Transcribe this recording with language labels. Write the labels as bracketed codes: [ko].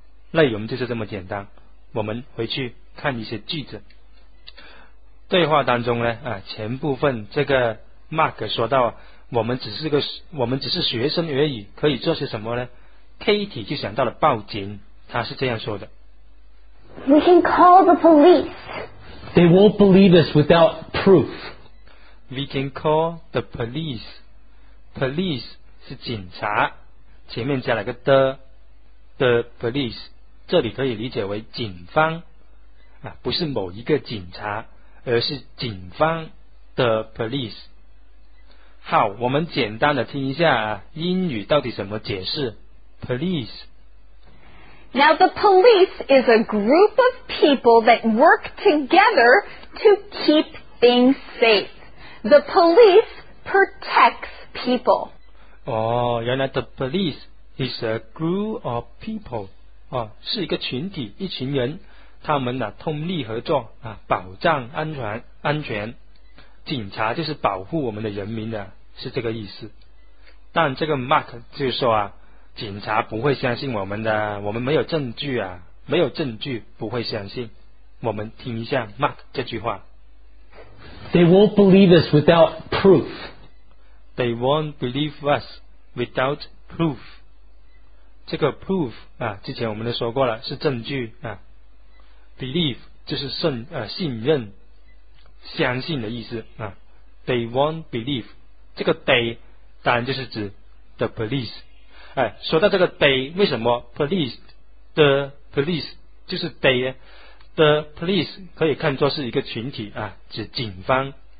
[zh] 内容就是这么简单，我们回去看一些句子。对话当中呢前部分这个 Mark 说到我们只是学生而已，可以做些什么呢？ Katie 就想到了报警，他是这样说的。 [en] We can call the police. They won't believe us without proof. We can call the police. [zh] Police 是警察，前面加了个 the police。这里可以理解为警方不是某一个警察，而是警方的 police。好，我们简单的听一下英语到底怎么解释 police。 [en] Now the police is a group of people that work together to keep things safe. The police protects people. [zh] 哦，原来 [en] the police is a group of people [zh] 是一个群体，一群人，他们通力合作保障安全。警察就是保护我们的人民的，是这个意思。但这个 Mark 就说警察不会相信我们的，我们没有证据没有证据不会相信。我们听一下 Mark 这句话。 [en] They won't believe us without proof. They won't believe us without proof. [zh] 这个 proof 之前我们都说过了，是证据believe 就是信任相信的意思 [en] they won't believe， [zh] 这个 they 当然就是指 the police。说到这个 they， 为什么 police the police 就是 they， the police 可以看作是一个群体指警方，